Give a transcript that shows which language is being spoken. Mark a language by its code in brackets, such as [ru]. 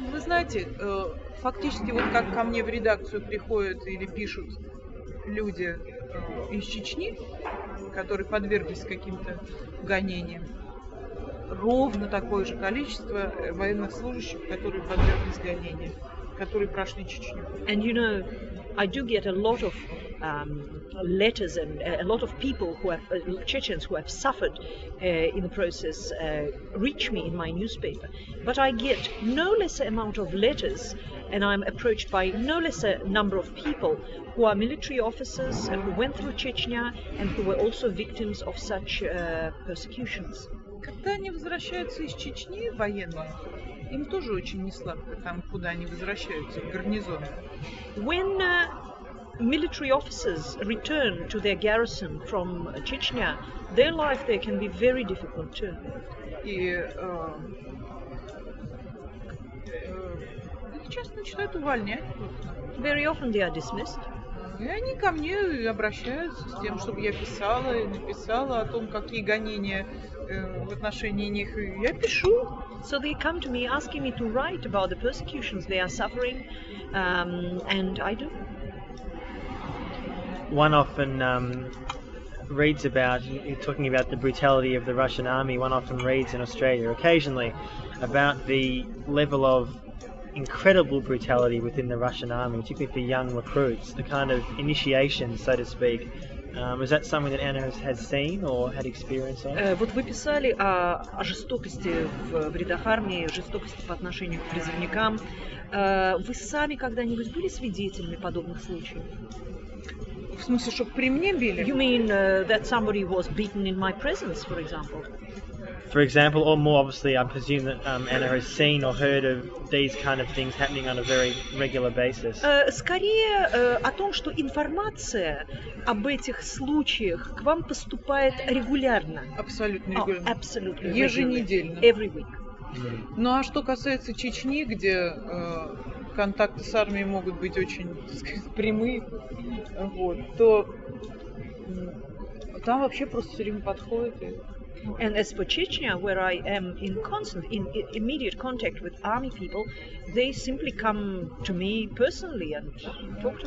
[ru] Вы знаете, фактически, вот как ко мне в редакцию приходят или пишут люди из Чечни, которые подверглись каким-то гонениям, ровно такое же количество военных служащих, которые подверглись гонениям, которые прошли Чечню. [en] And you know, I do get a lot of letters and a lot of people who have Chechens who have suffered in the process reach me in my newspaper, but I get no lesser amount of letters, and I'm approached by no lesser number of people who are military officers and who went through Chechnya and who were also victims of such persecutions. [ru] Когда они возвращаются из Чечни военные, им тоже очень несладко там, куда они возвращаются, в гарнизон. [en] When military officers return to their garrison from Chechnya, their life there can be very difficult too. [ru] И их часто начинают увольнять. [en] Very often they are dismissed. [ru] И они ко мне обращаются с тем, чтобы я писала и написала о том, какие гонения в отношении них. И я пишу. [en] So they come to me asking me to write about the persecutions they are suffering, and I do. One often reads about, talking about the brutality of the Russian army, one often reads in Australia occasionally about the level of incredible brutality within the Russian army, particularly for young recruits, the kind of initiation, so to speak. Is that something that Anna has seen or had experience on? [ru] Вот вы писали о жестокости в рядах армии, жестокости по отношению к призывникам. Вы сами когда-нибудь были свидетелями подобных случаев? В смысле, чтобы при мне били? [en] You mean that somebody was beaten in my presence, for example? For example, or more obviously, I presume that Anna has seen or heard of these kind of things happening on a very regular basis. [ru] Скорее о том, что информация об этих случаях к вам поступает регулярно. Абсолютно регулярно. [en] Oh, absolutely regular. [ru] Еженедельно. [en] Every week. [ru] Ну а что касается Чечни, где контакты с армией могут быть очень, так сказать, прямые, вот, то там вообще просто все время подходит и [en] And as for Chechnya, where I am in constant, in immediate contact with army people, they simply come to me personally and talk to